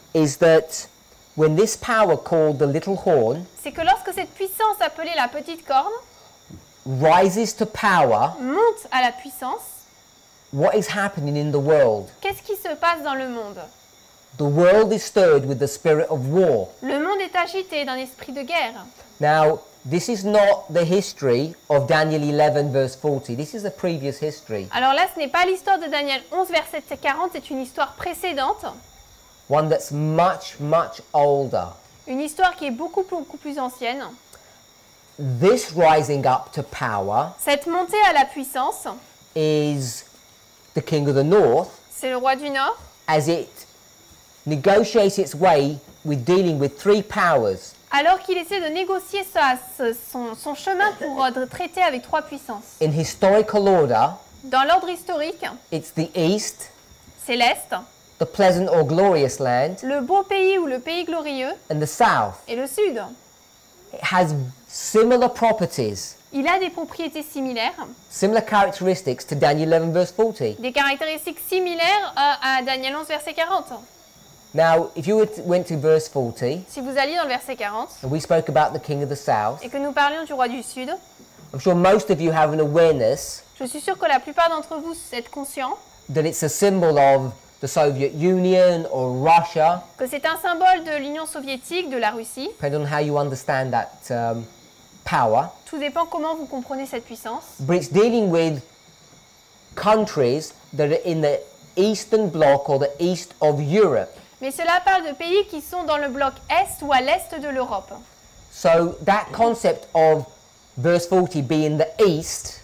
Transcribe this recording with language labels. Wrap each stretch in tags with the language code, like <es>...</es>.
<en>is that when this power called the little horn,</en> <fr>c'est que lorsque cette puissance appelée la petite corne</fr> <en>rises to power,</en> <fr>monte à la puissance,</fr> <en>what is happening in the world?</en> <fr>Qu'est-ce qui se passe dans le monde?</fr> <en>The world is stirred with the spirit of war.</en> <fr>Le monde est agité d'un esprit de guerre.</fr> <en>Now, this is not the history of Daniel 11 verse 40. This is a previous history.</en> <fr>Alors là, ce n'est pas l'histoire de Daniel 11 verset 40, c'est une histoire précédente.</fr> <en>One that's much, much older.</en> <fr>Une histoire qui est beaucoup, beaucoup plus ancienne.</fr> <en>This rising up to power,</en> <fr>cette montée à la puissance,</fr> <en>is the king of the north,</en> <fr>c'est le roi du nord,</fr> <en>as it negotiates its way with dealing with three powers,</en> <fr>alors qu'il essaie de négocier son chemin pour traiter avec trois puissances.</fr> <en>In historical order,</en> <fr>dans l'ordre historique,</fr> <en>it's the east,</en> <fr>c'est l'est,</fr> <en>the pleasant or glorious land,</en> <fr>le beau pays ou le pays glorieux,</fr> <en>and the south,</en> <fr>et le sud.</fr> <en>It has similar properties.</en> <fr>Il a des propriétés similaires.</fr> <en>Similar characteristics to Daniel 11 verse 40.</en> <fr>Des caractéristiques similaires à Daniel 11 verset 40.</fr> <en>Now, if you went to verse 40,</en> <fr>si vous alliez dans le verset 40,</fr> <en>and we spoke about the king of the south,</en> <fr>et que nous parlions du roi du sud,</fr> <en>I'm sure most of you have an awareness.</en> <fr>Je suis sûr que la plupart d'entre vous êtes conscients.</fr> <en>That it's a symbol of the Soviet Union or Russia.</en> <fr>Que c'est un symbole de l'Union soviétique, de la Russie.</fr> <en>Depending on how you understand that power.</en> <fr>Tout dépend comment vous comprenez cette puissance.</fr> <en>But it's dealing with countries that are in the Eastern Bloc or the East of Europe.</en> <fr>Mais cela parle de pays qui sont dans le bloc Est ou à l'Est de l'Europe.</fr> <en>So that concept of verse 40 being the East.</en>